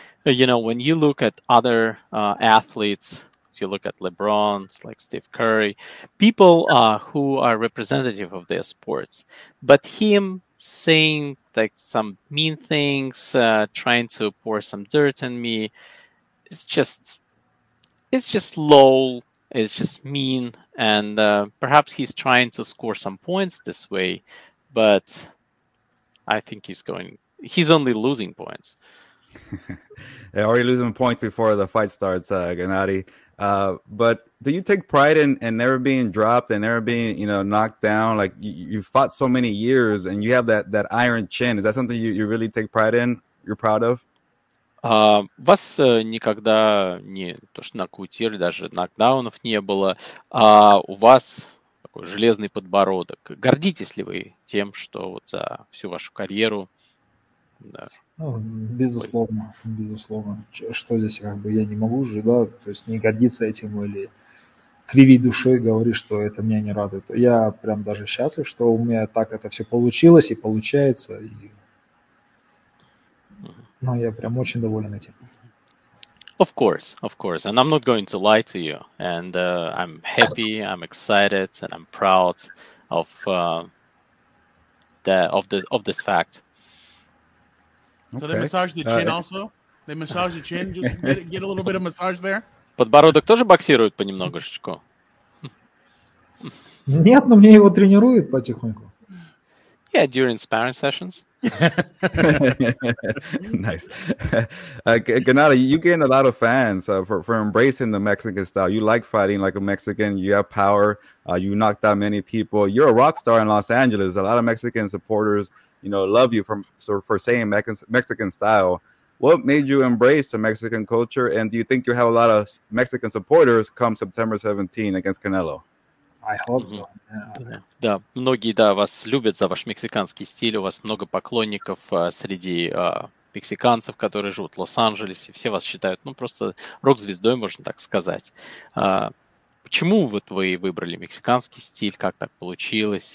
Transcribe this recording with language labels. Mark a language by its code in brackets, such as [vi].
[en] You know, when you look at other athletes, if you look at LeBron, like Steve Curry, people who are representative of their sports, but him saying like some mean things, trying to pour some dirt on me, it's just low, it's just mean, and perhaps he's trying to score some points this way, but I think he's only losing points. They're already losing points before the fight starts, Gennady. But do you take pride in never being dropped and never being, you know, knocked down? Like you fought so many years and you have that iron chin. Is that something you really take pride in? You're proud of? [ru] Вас никогда не то что нокаутировали, даже нокдаунов не было. У вас такой железный подбородок. Гордитесь ли вы тем, что вот за всю вашу карьеру? Да. Ну, безусловно, безусловно. Что здесь, как бы, я не могу же, да, то есть не гордиться этим или кривить душой, говорить, что это меня не радует. Я прям даже счастлив, что у меня так это все получилось и получается. И... Ну, я прям очень доволен этим. [en] Of course, of course. And I'm not going to lie to you. And I'm happy, I'm excited, and I'm proud of this fact. So okay. They massage the chin also? They massage the chin? Just get a little bit of massage there? [ru] Подбородок тоже боксирует понемногушечку? Нет, но мне его тренируют потихоньку. [en] Yeah, during sparring sessions. Nice. Gennady, you gain a lot of fans for embracing the Mexican style. You like fighting like a Mexican. You have power. You knocked out many people. You're a rock star in Los Angeles. A lot of Mexican supporters, you know, love you for saying Mexican style. What made you embrace the Mexican culture? And do you think you have a lot of Mexican supporters come September 17 against Canelo? I hope so. Yeah. [ru] Да, многие, да, вас любят за ваш мексиканский стиль. У вас много поклонников среди мексиканцев, которые живут в Лос-Анджелесе. Все вас считают, ну, просто рок-звездой, можно так сказать. Почему вот вы выбрали мексиканский стиль? Как так получилось?